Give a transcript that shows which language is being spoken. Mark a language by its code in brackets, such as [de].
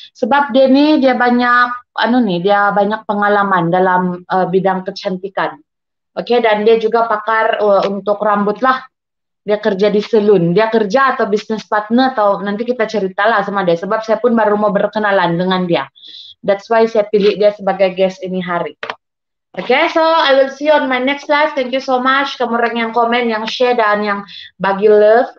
[ms] Sebab dia nih, dia banyak pengalaman dalam bidang kecantikan. Okay, dan dia juga pakar untuk rambut lah. Dia kerja di salon, dia kerja atau business partner atau nanti kita ceritalah sama dia. Sebab saya pun baru mau berkenalan dengan dia. [en] That's why [ms] saya pilih dia sebagai guest ini hari. [en] Okay, so I will see you on my next live. Thank you so much. [ms] Kamu orang yang komen, yang share, dan yang bagi love.